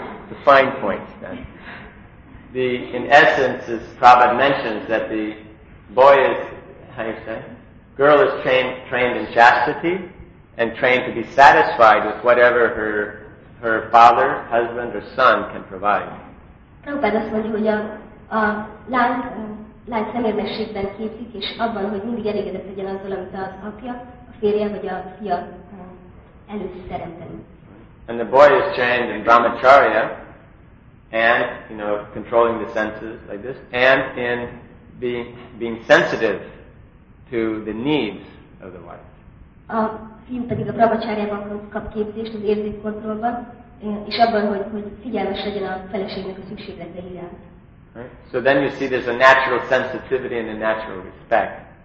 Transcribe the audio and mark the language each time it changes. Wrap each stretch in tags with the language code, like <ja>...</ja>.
<en>The fine points, then. In essence, as Prabhupada mentions, that the boy is, how you say, girl is trained in chastity and trained to be satisfied with whatever her father, husband, or son can provide.</en> <hu>Prabhupada azt mondja, hogy lány szemérmességben képzik, és abban, hogy mindig elégedett legyen azzal, amit az apja, a férje vagy a fia előtt teremteni.</hu> <en>And the boy is trained in brahmacharya, and, you know, controlling the senses like this, and in being sensitive to the needs of the wife.</en> <hu>A fiú pedig a brahmacharyában kap képzést az érzékkontrollban, és abban, hogy figyelmes legyen a feleségnek a szükségletei iránt.</hu> <en>Right? So then you see there's a natural sensitivity and a natural respect.</en>